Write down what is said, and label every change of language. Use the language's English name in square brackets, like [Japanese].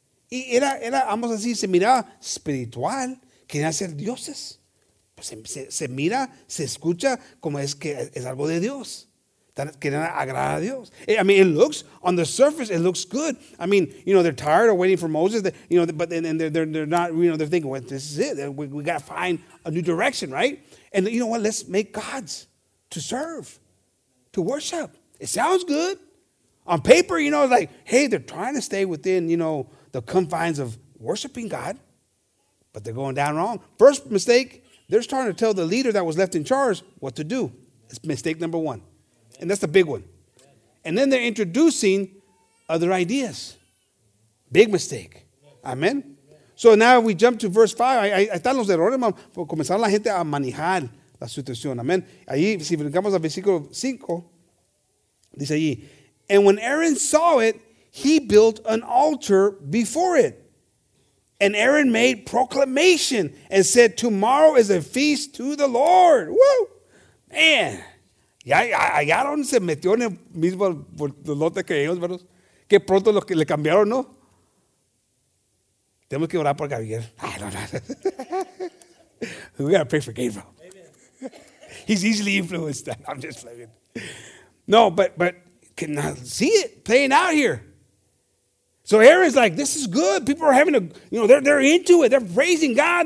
[Spanish] Y era vamos a decir, se miraba espiritual, querían ser dioses. Pues se mira, se escucha como es que es algo de Dios. Querían agradar a Dios. [English] I mean, it looks, on the surface, it looks good. I mean, you know, they're tired of waiting for Moses, you know, but then they're not, you know, they're thinking, well, this is it. We got to find a new direction, right? And you know what? Let's make gods to serve, to worship. It sounds good. On paper, you know, it's like, hey, they're trying to stay within, you know, the confines of worshiping God, but they're going down wrong. First mistake, they're starting to tell the leader that was left in charge what to do. It's mistake number one. And that's the big one. And then they're introducing other ideas. Big mistake. Amen. So now we jump to verse 5. [Spanish] Están los errores, hermano. Comenzaron la gente a manejar la situación. Amen. Ahí, si brincamos al versículo 5, dice allí, [English] and when Aaron saw it, he built an altar before it. And Aaron made proclamation and said, tomorrow is a feast to the Lord. Woo! Man. [Spanish] Ya donde se metió en el mismo lote que ellos, ¿verdad? Que pronto lo que le cambiaron, ¿no? Tenemos que orar por Gabriel. [English] I don't know. We gotta pray for Gabriel. Amen. He's easily influenced. I'm just playing. No, but can I see it playing out here? So Aaron's like, this is good. People are having a, you know, they're into it. They're praising God.